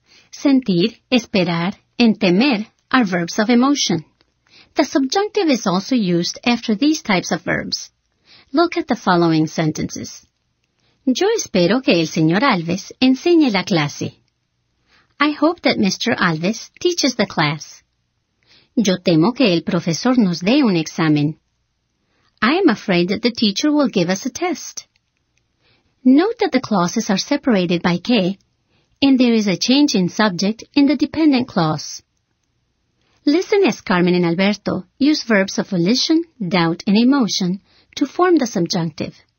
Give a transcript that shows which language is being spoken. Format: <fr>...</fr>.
<en>Sentir, esperar, and temer are verbs of emotion. The subjunctive is also used after these types of verbs. Look at the following sentences.</en> <es>Yo espero que el señor Alves enseñe la clase.</es> <en>I hope that Mr. Alves teaches the class.</en> <es>Yo temo que el profesor nos dé un examen.</es> <en>I am afraid that the teacher will give us a test. Note that the clauses are separated by que, and there is a change in subject in the dependent clause. Listen as Carmen and Alberto use verbs of volition, doubt, and emotion to form the subjunctive.</en>